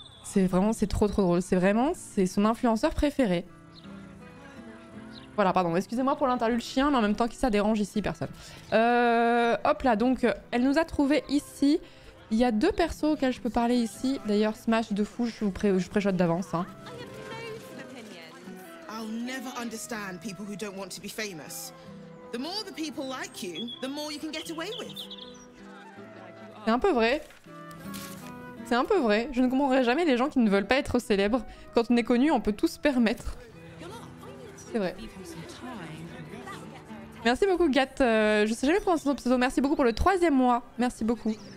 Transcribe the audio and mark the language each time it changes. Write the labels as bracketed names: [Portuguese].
[French] C'est trop drôle. C'est son influenceur préféré. Voilà, pardon. Excusez-moi pour l'interlude chien, mais en même temps, qui ça dérange ici, personne. Hop là, donc, elle nous a trouvé ici. Il y a deux persos auxquels je peux parler ici. D'ailleurs, Smash de fou, je préchote d'avance, hein. [English] Never understand people who don't want to be famous. The more the people like you, the more you can get away with. [French] C'est un peu vrai. C'est un peu vrai. Je ne comprendrai jamais les gens qui ne veulent pas être célèbres. Quand on est connu, on peut tout se permettre. C'est vrai. Merci beaucoup, Gat. Je sais jamais prononcer son pseudo. Merci beaucoup pour le troisième mois. Merci beaucoup.